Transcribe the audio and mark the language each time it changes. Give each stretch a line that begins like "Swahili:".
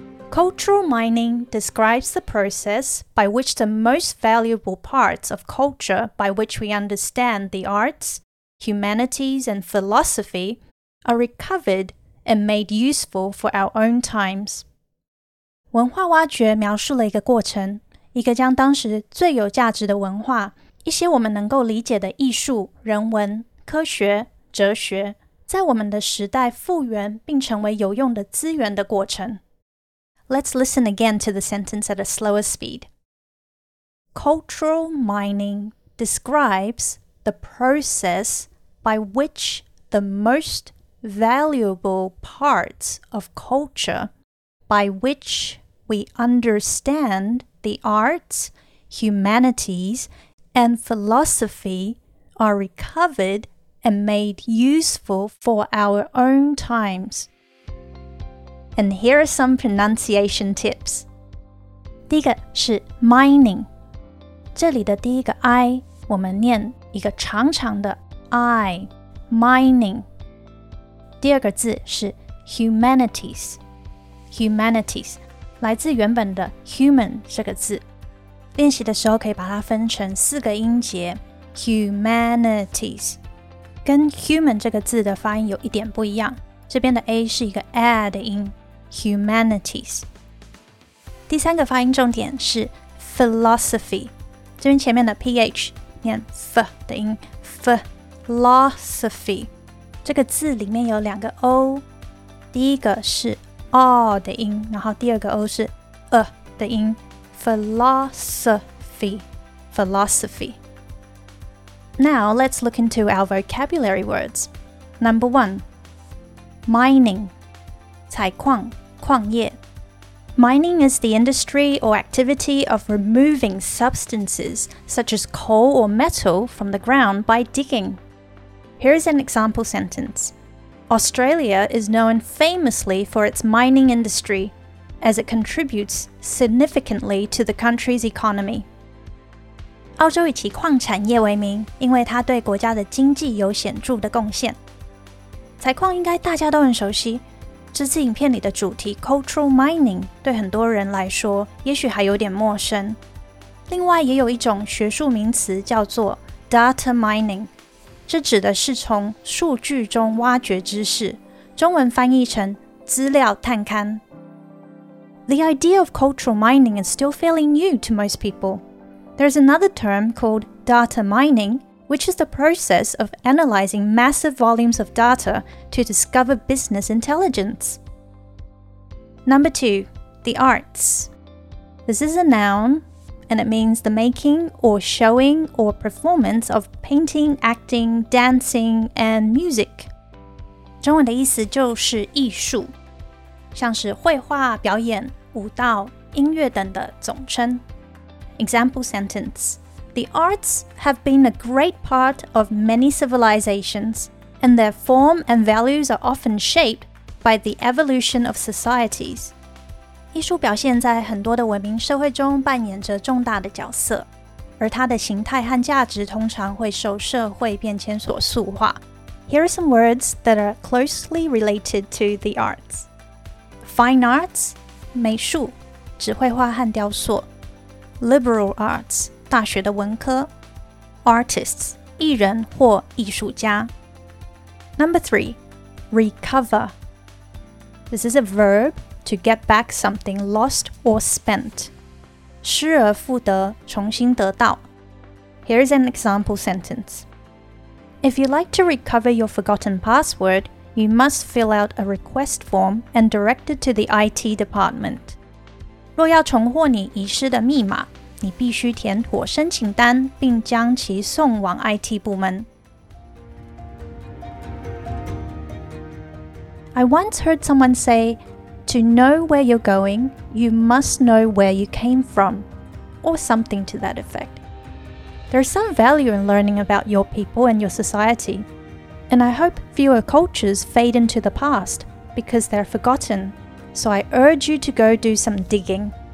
English: Cultural mining describes the process by which the most valuable parts of culture by which we understand the arts, humanities, and philosophy are recovered and made useful for our own times.
Chinese: 文化挖掘描述了一个过程，一个将当时最有价值的文化，一些我们能够理解的艺术、人文、科学、哲学，在我们的时代复原并成为有用的资源的过程。
English: Let's listen again to the sentence at a slower speed. Cultural mining describes the process by which the most valuable parts of culture by which we understand the arts, humanities, and philosophy are recovered and made useful for our own times. And here are some pronunciation tips.
Chinese: 第一个是 mining， 这里的第一个 i 我们念一个长长的 i， mining。第二个字是 humanities， humanities 来自原本的 human 这个字。练习的时候可以把它分成四个音节 humanities， 跟 human 这个字的发音有一点不一样，这边的 a 是一个 a 的音。 Humanities 第三个发音重点是 philosophy 这边前面的 ph 念 f 的音 philosophy 这个字里面有两个 o 第一个是 r 的音然后第二个 o 是 a 的音 philosophy philosophy Now let's look into our vocabulary words Number one Mining
English: 采矿 Mining is the industry or activity of removing substances such as coal or metal from the ground by digging. Here is an example sentence. Australia is known famously for its mining industry, as it contributes significantly to the country's economy.
Chinese: 澳洲以其矿产业为名，因为它对国家的经济有显著的贡献。采矿应该大家都很熟悉。这次影片里的主题 Cultural Mining 对很多人来说也许还有点陌生。另外也有一种学术名词叫做 Data Mining， 这指的是从数据中挖掘知识，中文翻译成资料探勘。
English: The idea of Cultural Mining is still fairly new to most people. There's another term called Data Mining,which is the process of analyzing massive volumes of data to discover business intelligence. Number two, the arts. This is a noun, and it means the making or showing or performance of painting, acting, dancing, and music.
Chinese: 中文的意思就是艺术，像是绘画、表演、舞蹈、音乐等的总称。
English: Example sentence. The arts have been a great part of many civilizations, and their form and values are often shaped by the evolution of societies.
Chinese: 艺术表现在很多的文明社会中扮演着重大的角色，而它的形态和价值通常会受社会变迁所塑化。
English: Here are some words that are closely related to the arts. Fine arts,
Chinese: 美术，指绘画和雕塑。
English: Liberal arts, 大学的文科 Artists
Chinese: 艺人或艺术家
English: Number three Recover This is a verb to get back something lost or spent.
Chinese: 失而复得，重新得到。
English: Here is an example sentence. If you'd like to recover your forgotten password, you must fill out a request form and direct it to the IT department.
Chinese: 若要重获你遗失的密码，你必须填妥申请单，并将其送往 IT 部门。
English: I once heard someone say, to know where you're going, you must know where you came from, or something to that effect. There's some value in learning about your people and your society, and I hope fewer cultures fade into the past because they're forgotten, so I urge you to go do some digging.